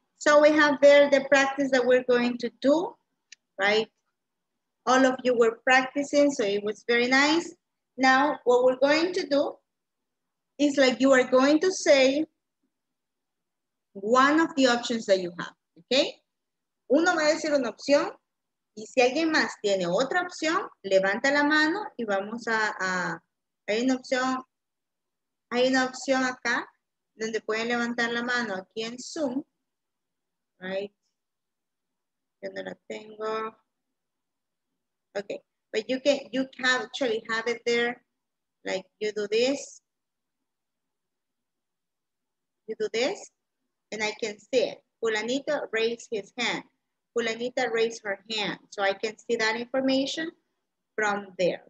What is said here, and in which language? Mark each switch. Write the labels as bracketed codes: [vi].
[en] So we have there the practice that we're going to do. Right, all of you were practicing, so it was very nice. Now, what we're going to do is like you are going to say one of the options that you have, okay? [es] Uno va a decir una opción, y si alguien más tiene otra opción, levanta la mano y vamos a hay una opción acá donde pueden levantar la mano aquí en Zoom, right? No la tengo. [en] Okay, but you can actually have it there, like you do this. You do this, and I can see it. Fulanita raised his hand. Fulanita raised her hand, so I can see that information from there.